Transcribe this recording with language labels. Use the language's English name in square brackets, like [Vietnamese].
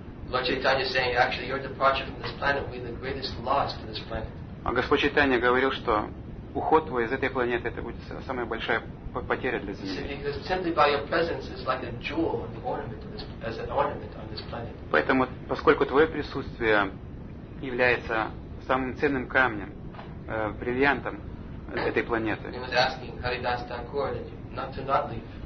[English] Lord Chaitanya saying, actually, your departure from this planet will be the greatest loss to this planet. [Russian] А Господь Чайтанья говорил, что уход твой из этой планеты это будет самая большая потеря для Земли. [English] Because simply by your presence is like a jewel, an ornament, as an ornament on this planet. [Russian] Поэтому, поскольку твое присутствие является самым ценным камнем, бриллиантом этой планеты. [English] He was asking Haridas Thakur not to not leave.